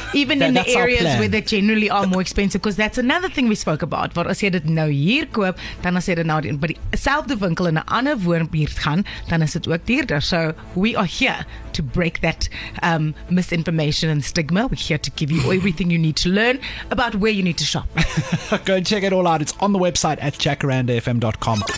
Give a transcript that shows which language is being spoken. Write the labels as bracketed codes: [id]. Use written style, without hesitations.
[en] Even in the areas where they generally are more expensive. Because that's another thing we spoke about. [af] Waar as jy dit nou hier koop, dan as jy dit nou in by dieselfde winkel in 'n ander woonbuurt gaan, dan is dit ook duurder. [en] So we are here to break that misinformation and stigma. We're here to give you everything you need to learn about where you need to shop. Go and check it all out. It's on the website at jacarandafm.com.